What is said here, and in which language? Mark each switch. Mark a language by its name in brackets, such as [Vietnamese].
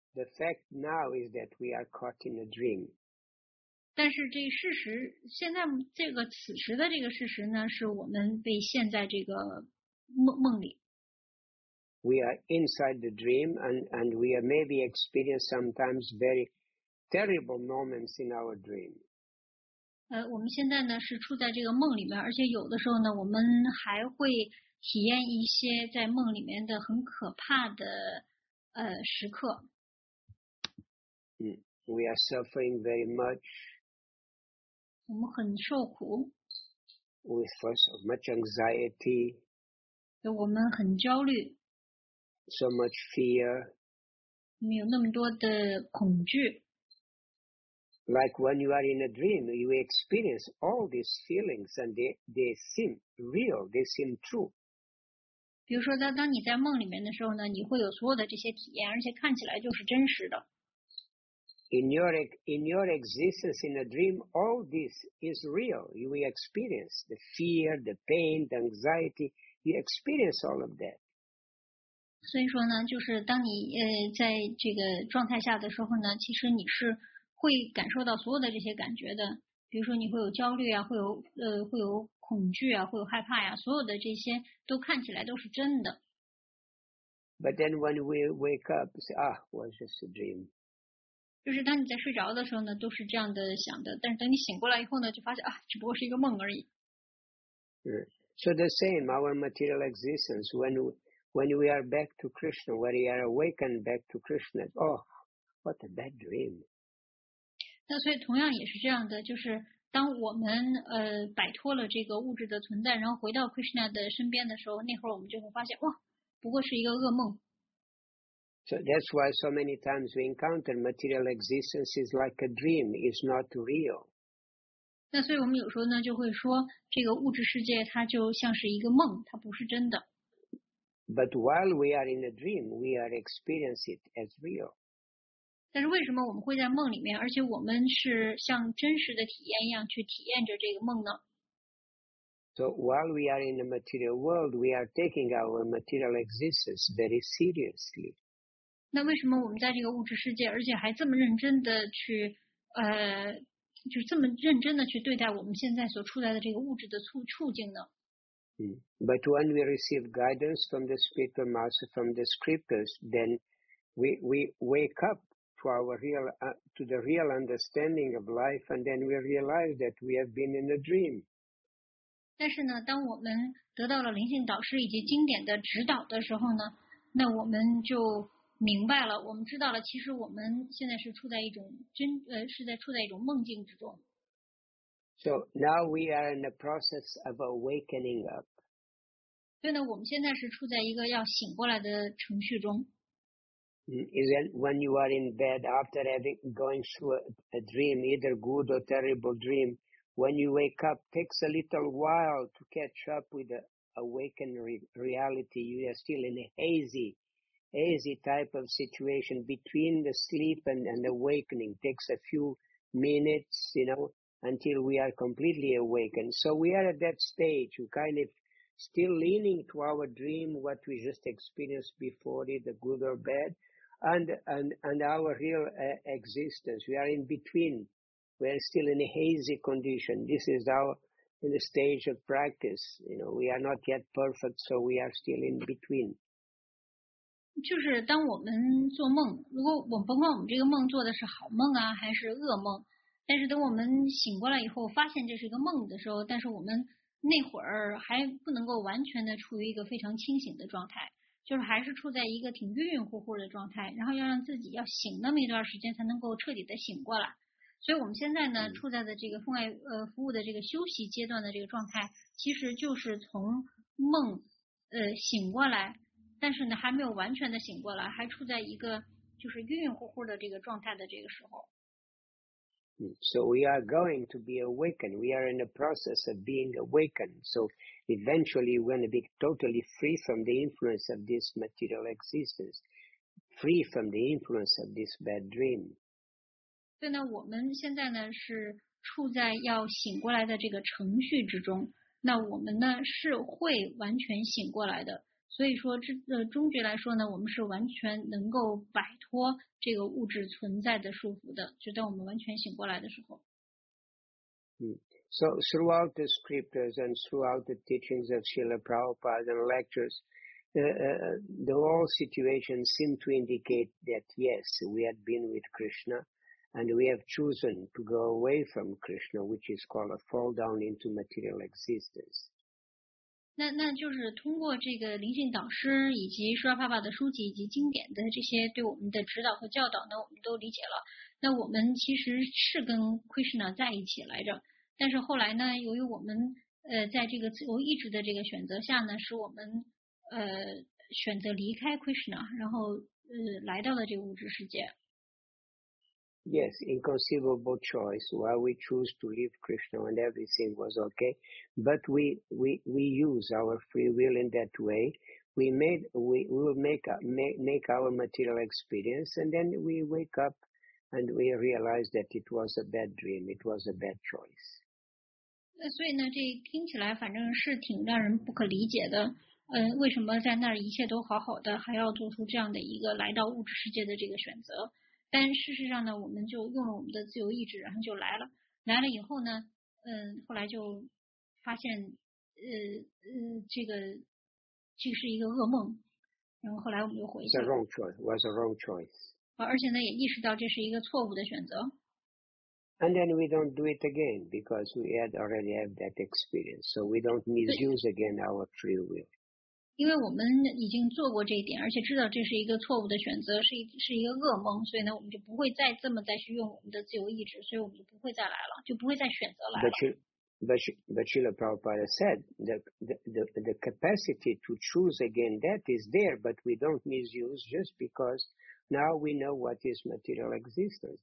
[English] The fact now is that we are caught in a dream. [Chinese] 但是这事实，现在这个此时的这个事实呢，是我们被陷在这个梦里。 [English] We are inside the dream, and we are maybe experience sometimes very terrible moments in our dream. [Chinese] 我们现在呢是处在这个梦里面，而且有的时候呢，我们还会体验一些在梦里面的很可怕的时刻。 [English] We are suffering very much. [Chinese] 我们很受苦。 [English] With so much anxiety. [Chinese] 我们很焦虑。 [English] So much fear. [Chinese] 我们有那么多的恐惧。 [English] Like when you are in a dream, you experience all these feelings and they seem real, they seem true. [Chinese] 比如说当你在梦里面的时候呢，你会有所有的这些体验，而且看起来就是真实的。 [English] In your existence in a dream, all this is real. You experience the fear, the pain, the anxiety. You experience all of that. [Chinese] 所以说呢，就是当你在这个状态下的时候呢，其实你是会感受到所有的这些感觉的。比如说，你会有焦虑啊，会有恐惧啊，会有害怕呀，所有的这些都看起来都是真的。 [English] But then when we wake up, say, "Ah, was just a dream." [Chinese] 就是当你在睡着的时候呢，都是这样的想的。但是等你醒过来以后呢，就发现啊，只不过是一个梦而已。 [English] So the same, our material existence, when we are back to Krishna, when we are awakened back to Krishna, oh, what a bad dream. [Chinese] 那所以同样也是这样的，就是当我们摆脱了这个物质的存在，然后回到 Krishna 的身边的时候，那会儿我们就会发现，哇，不过是一个噩梦。 [English] So that's why so many times we encounter material existence is like a dream, it's not real. [Chinese] 那所以我们有时候呢就会说这个物质世界它就像是一个梦，它不是真的。 [English] But while we are in a dream, we are experiencing it as real. [Chinese] 但是为什么我们会在梦里面，而且我们是像真实的体验一样去体验着这个梦呢？ [English] So while we are in the material world, we are taking our material existence very seriously. [Chinese] 那为什么我们在这个物质世界，而且还这么认真的去，就这么认真的去对待我们现在所处在的这个物质的处境呢？ [English] But when we receive guidance from the spiritual master, from the scriptures, then we wake up to our real, to the real understanding of life, and then we realize that we have been in a dream. [Chinese] 但是呢，当我们得到了灵性导师以及经典的指导的时候呢，那我们就明白了，我们知道了，其实我们现在是处在一种处在一种梦境之中。 [English] So now we are in the process of awakening up. [Chinese] 所以呢，我们现在是处在一个要醒过来的程序中。 [English] Is it when you are in bed after having going through a dream, either good or terrible dream, when you wake up, takes a little while to catch up with the awakened reality. You are still in a hazy type of situation between the sleep and awakening takes a few minutes, you know, until we are completely awakened. So we are at that stage, kind of still leaning to our dream, what we just experienced before it, the good or bad, and our real existence. We are in between. We are still in a hazy condition. This is our in the stage of practice. You know, we are not yet perfect, so we are still in between. [Chinese] 就是当我们做梦，如果我们甭管我们这个梦做的是好梦啊，还是噩梦，但是等我们醒过来以后，发现这是一个梦的时候，但是我们那会儿还不能够完全的处于一个非常清醒的状态，就是还是处在一个挺晕晕乎乎的状态，然后要让自己要醒那么一段时间才能够彻底的醒过来。所以我们现在呢，处在的这个奉爱服务的这个休息阶段的这个状态，其实就是从梦醒过来。但是呢，还没有完全的醒过来，还处在一个就是晕晕乎乎的这个状态的这个时候。 [English] So we are going to be awakened. We are in the process of being awakened. So eventually, we're going to be totally free from the influence of this material existence, free from the influence of this bad dream. [Chinese] 对呢，我们现在呢是处在要醒过来的这个程序之中。那我们呢是会完全醒过来的。所以说终局来说呢，我们是完全能够摆脱这个物质存在的束缚的，就在我们完全醒过来的时候。 [English] So throughout the scriptures and throughout the teachings of Srila Prabhupada and lectures, the whole situation seem to indicate that yes, we have been with Krishna and we have chosen to go away from Krishna, which is called a fall down into material existence. [Chinese] 那就是通过这个灵性导师以及释迦牟尼佛的书籍以及经典的这些对我们的指导和教导呢，我们都理解了。那我们其实是跟 Krishna 在一起来着，但是后来呢，由于我们在这个自由意志的这个选择下呢，使我们选择离开 Krishna， 然后来到了这个物质世界。 [English] Yes, inconceivable choice. Why we choose to leave Krishna and everything was okay. But we use our free will in that way. We will make our material experience and then we wake up and we realize that it was a bad dream. It was a bad choice. [Chinese] 所以呢，这听起来反正是挺让人不可理解的。为什么在那儿一切都好好的，还要做出这样的一个来到物质世界的这个选择？但事实上呢，我们就用了我们的自由意志，然后就来了。来了以后呢，后来就发现，这是一个噩梦。然后后来我们就回去了。 [English] It's a wrong choice. Was a wrong choice. [Chinese] 而且呢，也意识到这是一个错误的选择。 [English] And then we don't do it again because we had already had that experience, so we don't misuse again our free will. [Chinese] 因为我们已经做过这一点，而且知道这是一个错误的选择，是一个噩梦，所以呢，我们就不会再这么再去用我们的自由意志，所以我们就不会再来了，就不会再选择来了。 [English] But Srila Prabhupada said the capacity to choose again that is there, but we don't misuse just because now we know what is material existence.